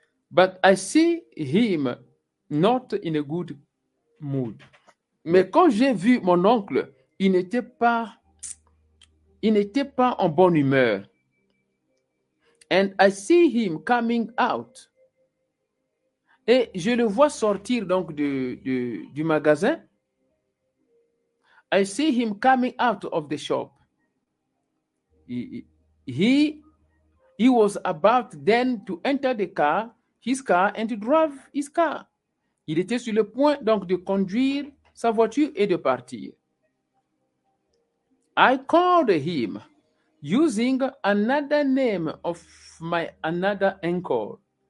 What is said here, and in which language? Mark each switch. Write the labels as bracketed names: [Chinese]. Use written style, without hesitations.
[English] But I see him not in a good mood. [French] Mais quand j'ai vu mon oncle, il n'était pas en bonne humeur. [English] And I see him coming out. [French] Et je le vois sortir donc du magasin. [English] I see him coming out of the shop. He was about then to enter the car, his car, and to drive his car. [French] Il était sur le point donc de conduire sa voiture et de partir. [English] I called him using another name of my another uncle.